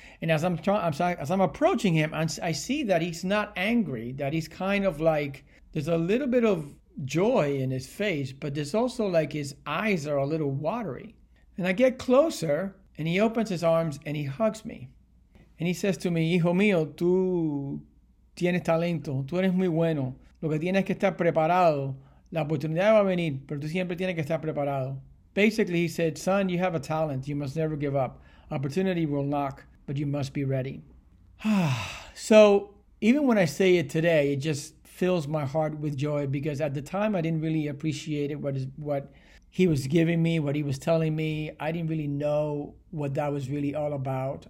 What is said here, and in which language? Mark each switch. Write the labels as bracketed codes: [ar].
[en] And as I'm approaching him, I see that he's not angry, that he's kind of like, there's a little bit of joy in his face, but there's also like his eyes are a little watery. And I get closer, and he opens his arms, and he hugs me. And he says to me, [es] hijo mío, tú tienes talento, tú eres muy bueno. Lo que tienes que estar preparado, la oportunidad va a venir, pero tú siempre tienes que estar preparado. [en] Basically, he said, son, you have a talent. You must never give up. Opportunity will knock, but you must be ready. So even when I say it today, it just fills my heart with joy, because at the time, I didn't really appreciate it, what He was giving me what he was telling me. I didn't really know what that was really all about.